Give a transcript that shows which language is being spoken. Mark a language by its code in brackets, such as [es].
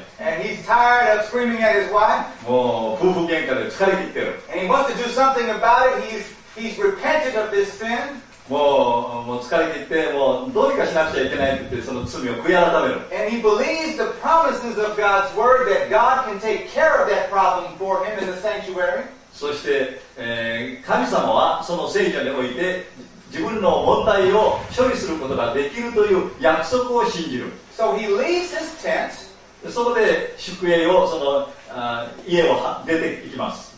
[en] And he's tired of screaming at his wife. [ja] もう夫婦喧嘩で疲れ切ってる。 [en] And he wants to do something about it. He's repented of this sin. [ja] もう疲れ切って、もうどうにかしなくちゃいけないって、その罪を悔い改める。 [en] And he believes the promises of God's word that God can take care of that problem for him in the sanctuary. [ja] そして、神様はその聖者において自分の問題を処理することができるという約束を信じる。 [en] So he leaves his tent. [ja] そこで宿営をその家を出て行きます。